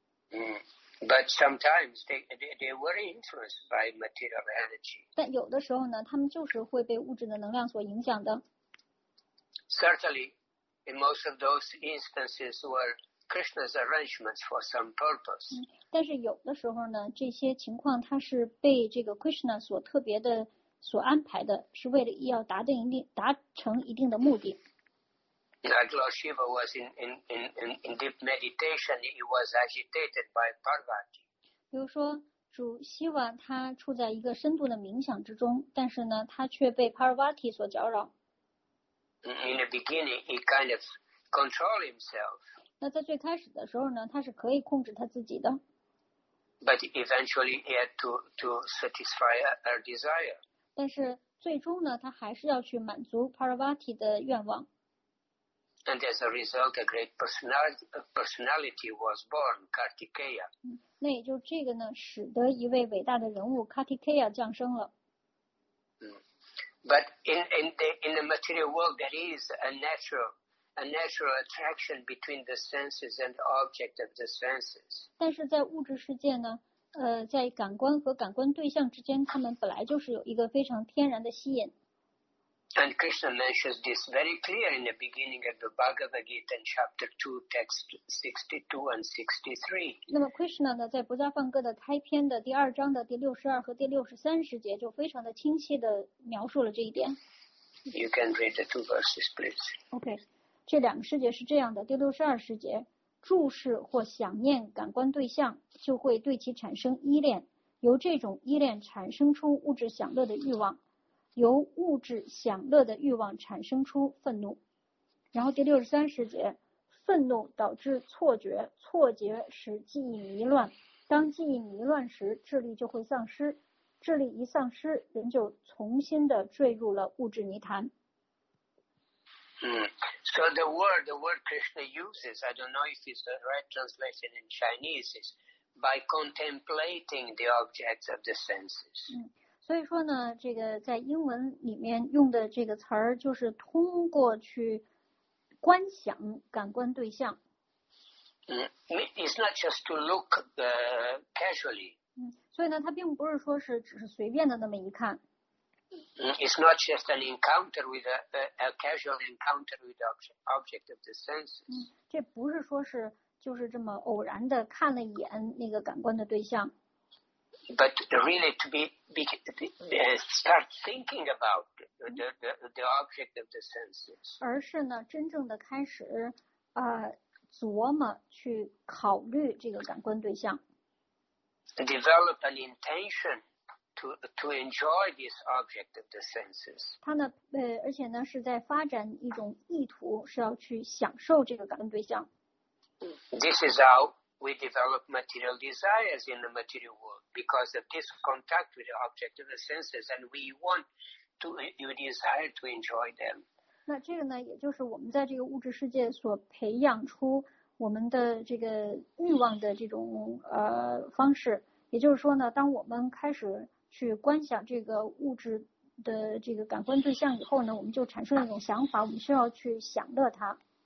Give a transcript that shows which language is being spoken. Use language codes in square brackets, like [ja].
[en] But sometimes they were influenced by material energy. [zh] 但有的时候呢，他们就是会被物质的能量所影响的。 [en] Certainly, in most of those instances were Krishna's arrangements for some purpose. [zh] 但是有的时候呢，这些情况它是被这个 Krishna 所特别的所安排的，是为了要达成一定的目的。 [en] Like Lord Shiva was in deep meditation, he was agitated by Parvati. [zh] 比如说，主 Shiva 他处在一个深度的冥想之中，但是呢，他却被 Parvati 所搅扰。 [en] In the beginning, he kind of controlled himself. [zh] 那在最开始的时候呢，他是可以控制他自己的。 [en] But eventually, he had to satisfy her desire. [zh] 但是最终呢，他还是要去满足 Parvati 的愿望。 [en] And as a result, a great personality was born, Kartikeya. [zh] 那也就这个呢，使得一位伟大的人物 Kartikeya 降生了。 [en] But in the material world, there is a natural attraction between the senses and the object of the senses. [zh] 但是在物质世界呢，在感官和感官对象之间，他们本来就是有一个非常天然的吸引。 [en] And Krishna mentions this very clear in the beginning of the Bhagavad Gita, in chapter 2, text 62 and 63. [zh] 那么 Krishna 呢，在《不杂梵歌》的开篇的第二章的第62和第63十节，就非常的清晰的描述了这一点。 [en] You can read the two verses, please. [zh] Okay, 这两个十节是这样的：第62十节，注视或想念感官对象，就会对其产生依恋，由这种依恋产生出物质享乐的欲望。由物质享乐的欲望产生出愤怒，然后第63十节，愤怒导致错觉，错觉使记忆迷乱，当记忆迷乱时，智力就会丧失，智力一丧失，人就重新的坠入了物质泥潭。 [en] So the word Krishna uses, I don't know if it's the right translation in Chinese, is by contemplating the objects of the senses. [zh] 所以说呢，这个在英文里面用的这个词儿，就是通过去观想感官对象。 [en] It's not just to look casually. [zh] 所以呢，它并不是说是只是随便的那么一看。 [en] It's not just an encounter with a casual encounter with the object of the senses. [zh] 这不是说是就是这么偶然的看了一眼那个感官的对象。 [en] But really, to be start thinking about the object of the senses. [zh] 而是呢，真正的开始，琢磨去考虑这个感官对象。 [en] Develop an intention to enjoy this object of the senses. [zh] 他呢，而且呢，是在发展一种意图，是要去享受这个感官对象。 [en] This is how we develop material desires in the material world because of this contact with the object of the senses, and we want to, we desire to enjoy them. [zh] 那这个呢，也就是我们在这个物质世界所培养出我们的这个欲望的这种方式。也就是说呢，当我们开始去观想这个物质的这个感官对象以后呢，我们就产生了一种想法，我们需要去享乐它。